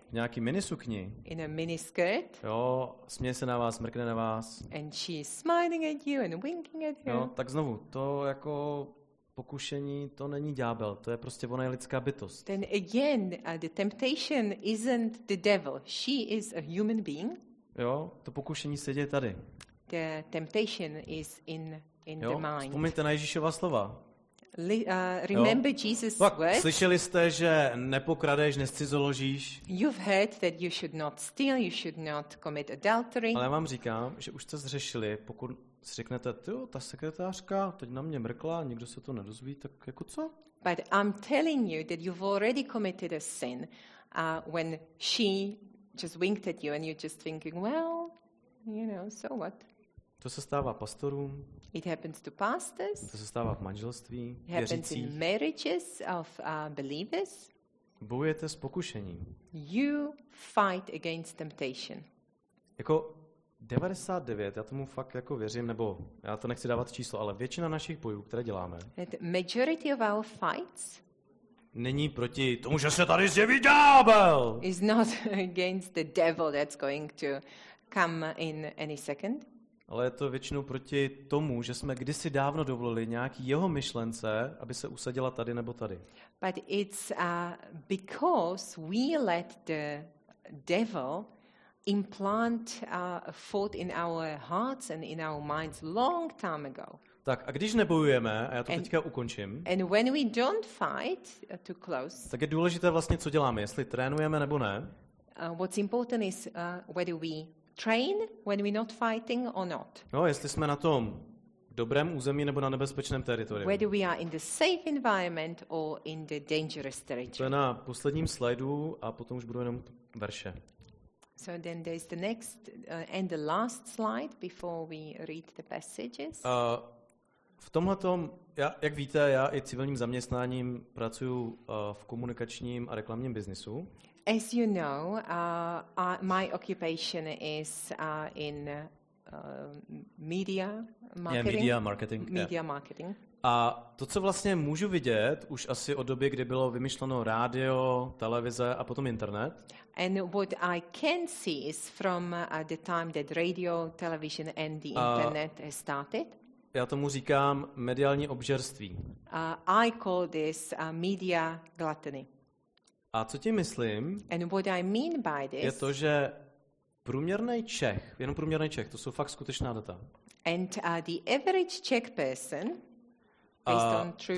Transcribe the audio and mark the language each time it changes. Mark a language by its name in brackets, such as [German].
[Czech] nějaký minisukni, [English] in a miniskirt, [Czech] jo, směje se na vás, mrkne na vás, [English] and she's smiling at you and winking at you. [Czech] Jo, tak znovu, to jako pokušení, to není ďábel, to je prostě ona je lidská bytost. [English] Then again, the temptation isn't the devil, she is a human being. [Czech] Jo, to pokušení se děje tady. [English] The temptation is in jo, the mind. [Czech] Vzpomeňte na Ježíšova slova. [English] Remember jo. Jesus' words. [Czech] Slyšeli jste, že nepokradeš, nescizoložíš. [English] You've heard that you should not steal, you should not commit adultery. [Czech] Ale já vám říkám, že už jste zřešili, pokud si řeknete, jo, ta sekretářka teď na mě mrkla, nikdo se to nedozví, tak jako co? [English] But I'm telling you that you've already committed a sin when she just winked at you and you're just thinking, well, you know, so what? [Czech] To se stává pastorům. [English] It happens to pastors. [Czech] To se stává v manželství. [English] It happens in marriages of believers. [Czech] Bojujete s pokušením. [English] You fight against temptation. [Czech] Jako 99, já tomu fakt jako věřím, nebo já to nechci dávat číslo, ale většina našich bojů, které děláme, [English] the majority of our fights [Czech] není proti tomu, že se tady zjeví ďábel. [English] Is not against the devil that's going to come in any second. [Czech] Ale je to většinou proti tomu, že jsme kdysi dávno dovolili nějaký jeho myšlence, aby se usadila tady nebo tady. [English] But it's because we let the devil implant a thought in our hearts and in our minds long time ago. [Czech] Tak, a když nebojujeme, a já to teďka ukončím. [English] And when we don't fight to close. [Czech] Tak je důležité vlastně co děláme, jestli trénujeme nebo ne. [English] What's important is whether we train when we're not fighting or not. [Czech] No, jestli jsme na tom dobrém území nebo na nebezpečném teritoriu. [English] Whether we are in the safe environment or in the dangerous territory. [Czech] To je na posledním slajdu a potom už budu jenom verše. [English] So then there's the next and the last slide before we read the passages. [Czech] V tomhletom, jak víte, já i civilním zaměstnáním pracuji v komunikačním a reklamním biznisu. [English] As you know, my occupation is in media marketing. Media marketing. [Czech] A to, co vlastně můžu vidět, už asi od doby, kdy bylo vymyšleno rádio, televize a potom internet. [English] And what I can see is from the time that radio, television and the internet has started. [Czech] Já tomu říkám mediální obžerství. [English] I call this media gluttony. [Czech] A co tím myslím? [English] And what I mean by this, [Czech] je to, že průměrný Čech, jenom průměrný Čech, to jsou fakt skutečná data. [English] And the average Czech person, based on true